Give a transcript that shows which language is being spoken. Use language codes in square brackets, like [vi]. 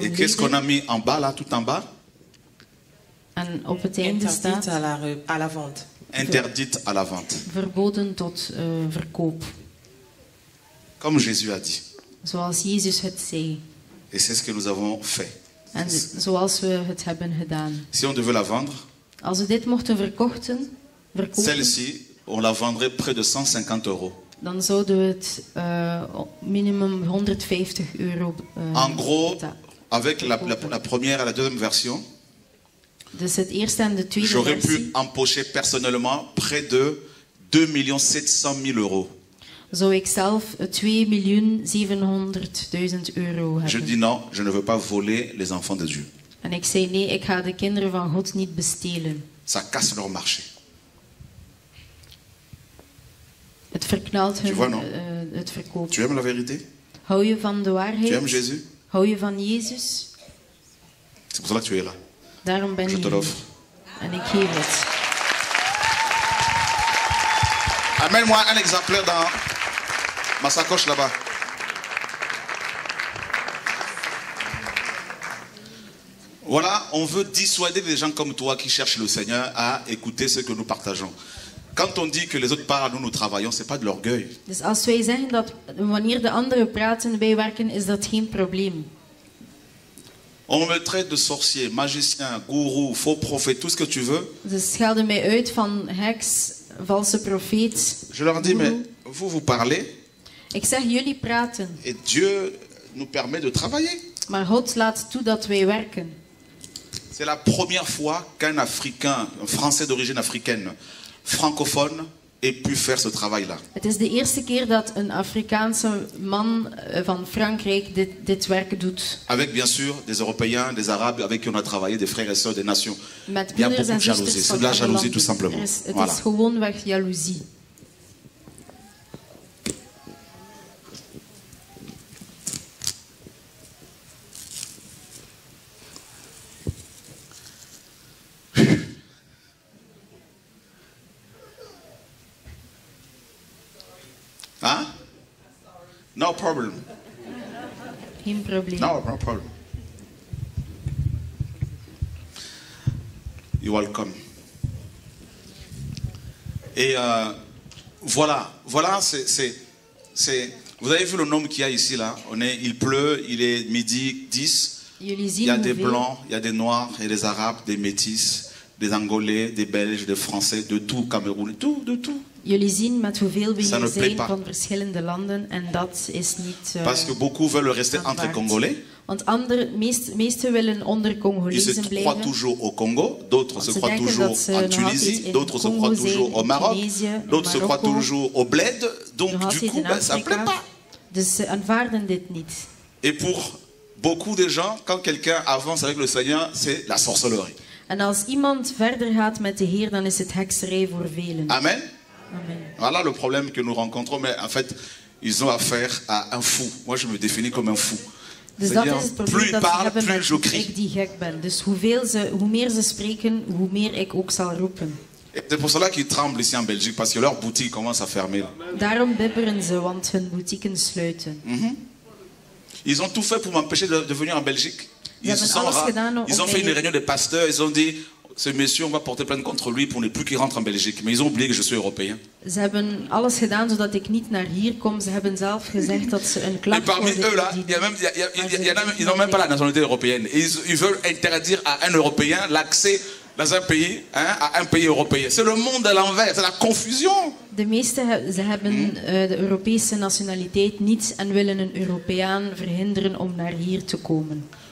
[fr] Et qu'est-ce qu'on a mis en bas là, tout en bas? [nl] En op het einde staat. [fr] Interdite à la vente. [nl] Verboden tot verkoop. [fr] Comme Jésus a dit. [nl] Zoals Jezus het zei. [fr] Et c'est ce que nous avons fait. [nl] En zoals we het hebben gedaan. [fr] Si on devait la vendre, [nl] als we dit mochten verkopen, [fr] celle-ci, on la vendrait près de 150 euros. [nl] Dan zouden we het minimum 150 euro betalen. [fr] En gros, avec la première et la deuxième version, [nl] dus het eerste en de tweede versie, [fr] j'aurais pu empocher personnellement près de 2 700 000 euros. [nl] Zou ik zelf 2 miljoen 700.000 euro hebben. [fr] Je dis non, je ne veux pas voler les enfants de Dieu. [nl] En ik zei nee, ik ga de kinderen van God niet bestelen. [fr] Ça casse leur marché. [nl] Het verknalt hun, [fr] tu vois, non? [nl] Het verkoop. [fr] Tu aimes la vérité? [nl] Hou je van de waarheid? [fr] Tu aimes Jésus? [nl] Hou je van Jezus? [fr] C'est pour ça que tu es là. [nl] Daarom ben je hier. [fr] Te l'offre. [nl] En ik geef het. [fr] Amène-moi un exemplaire dans ma sacoche là-bas. Voilà, on veut dissuader des gens comme toi qui cherchent le Seigneur à écouter ce que nous partageons. Quand on dit que les autres parlent, nous travaillons, ce n'est pas de l'orgueil. [nl] Dus als wij zeggen dat wanneer de anderen praten, wij werken, is dat geen probleem. [fr] On me traite de sorcier, magicien, gourou, faux prophète, tout ce que tu veux. [nl] Ze schelden mij uit van heks, valse profeet. [fr] Je leur dis, mais vous parlez. [nl] Ik zeg, jullie praten. [fr] Et Dieu nous permet de travailler. [nl] Maar God laat toe dat wij werken. [fr] C'est la première fois qu'un Africain, un Français d'origine africaine, francophone, ait pu faire ce travail-là. [nl] Het is de eerste keer dat een Afrikaanse man van Frankrijk dit werk doet. [fr] Avec bien sûr des Européens, des Arabes avec qui on a travaillé, des frères et sœurs, des nations. [nl] Met [fr] il y a beaucoup de jalousie, c'est de la jalousie tout simplement. [nl] Het is gewoon weg jaloezie. [en] Hein? No problem. Problem. No problem. You're welcome. [fr] Et voilà, c'est. Vous avez vu le nom qu'il y a ici là? Il pleut, il est midi 10. Il y a des blancs, il y a des noirs, il y a des arabes, des métis, des angolais, des belges, des français, de tout, Cameroun, de tout. [nl] Jullie zien met hoeveel we hier zijn van verschillende landen en dat is niet. [fr] Parce que beaucoup veulent rester entre Congolais. [nl] Want andere, meesten willen onder Congolezen blijven. [fr] Ils se croient toujours au Congo, d'autres se croient toujours en Tunisie, d'autres se croient toujours au Maroc, d'autres se croient toujours au Bled. Donc du coup, ça ne plaît pas. [nl] Dus ze aanvaarden dit niet. [fr] Et pour beaucoup de gens, quand quelqu'un avance avec le Seigneur, c'est la sorcellerie. [nl] En als iemand verder gaat met de Heer, dan is het hekserij voor velen. Amen. [fr] Voilà le problème que nous rencontrons, mais en fait, ils ont affaire à un fou. Moi, je me définis comme un fou. C'est-à-dire, plus ils parlent, plus je crie. [nl] Dus hoe meer ze spreken, hoe meer ik ook zal roepen. [fr] Et c'est pour cela qu'ils tremblent ici en Belgique, parce que leurs boutiques commencent à fermer. [nl] Daarom bibberen ze, want hun boutiques sluiten. [fr] Ils ont tout fait pour m'empêcher de venir en Belgique. Ils ont fait une réunion de pasteurs, ils ont dit... Ce monsieur, on va porter plainte contre lui pour ne plus qu'il rentre en Belgique. Mais ils ont oublié que je suis européen. [nl] Ze hebben alles gedaan zodat ik niet naar hier kom. Ze hebben zelf gezegd dat ze een klacht. [fr] Et parmi eux là, ils n'ont même pas la nationalité européenne. Ils veulent interdire à un Européen l'accès dans un pays, hein, à un pays européen. C'est le monde à l'envers. C'est la confusion. [nl] De meeste ze hebben de Europese nationaliteit niet en willen een Europeaan verhinderen om naar hier te komen.